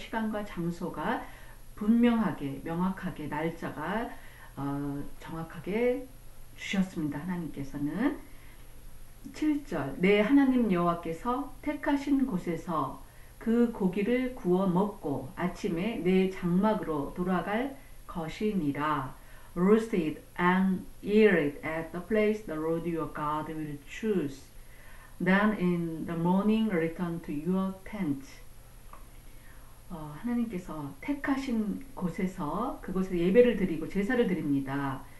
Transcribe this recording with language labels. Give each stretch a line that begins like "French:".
Korean: 시간과 장소가 분명하게 명확하게 날짜가 정확하게 주셨습니다. 하나님께서는 7절 내 하나님 여호와께서 택하신 곳에서 그 고기를 구워 먹고 아침에 내 장막으로 돌아갈 것이니라.
English: Roast it and eat it at the place the Lord your God will choose. Then in the morning return to your tent.
Korean: 하나님께서 택하신 곳에서 그곳에 예배를 드리고 제사를 드립니다.